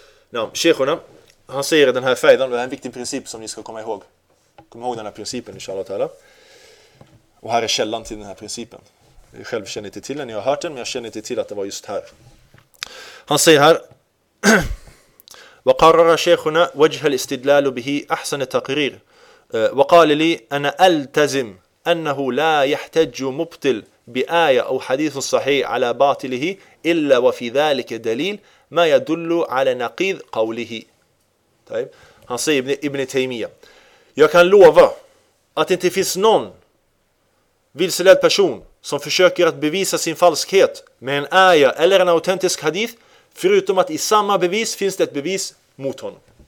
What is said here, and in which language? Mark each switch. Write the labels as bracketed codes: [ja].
[sv] Ja, Sheikhuna. Han säger den här fejdan, det är en viktig princip som ni ska komma ihåg. Kom ihåg den här principen, inshallah ta'ala. Och här är källan till den här principen. Jag själv känner inte till den, jag har hört den, men jag känner inte till att det var just här. Han säger här: [ar] وَقَرَّرَ شَيْخُنَا وَجْهَ الْإِسْتِدْلَالُ بِهِ أَحْسَنِ تَقْرِيرٍ وقال لي أنا ألتزم أنه لا يحتج مبطل بآية أو حديث صحيح على باطله إلا وفي ذلك دليل ما يدل على نقيض قوله. [sv] طيب han säger Ibn Taymiyyah, jag kan lova att det inte finns någon vilseledd person som försöker att bevisa sin falskhet med en aya eller en autentisk hadith, förutom att i samma bevis finns det ett bevis mot honom.